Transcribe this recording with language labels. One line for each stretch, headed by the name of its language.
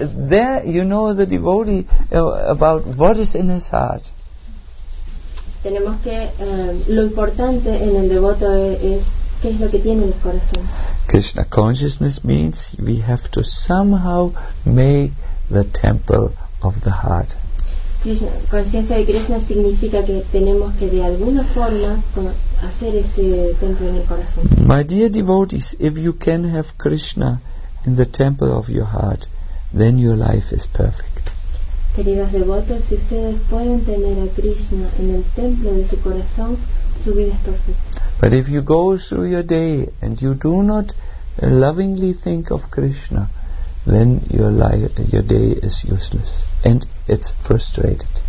English: There you know the devotee about what is in his heart.
Spanish: Tenemos que lo importante en el devoto es qué es lo que tiene en el corazón.
English: Krishna consciousness means we have to somehow make the temple of the heart.
Spanish: Krishna, conciencia de Krishna significa que tenemos que de alguna forma hacer ese templo en el corazón.
English: My dear devotees, if you can have Krishna in the temple of your heart, then your life is perfect.
Spanish: Queridos devotos, si ustedes pueden tener a Krishna en el templo de su corazón, su vida es perfecta.
English: But if you go through your day and you do not lovingly think of Krishna, then your day is useless and it's frustrated.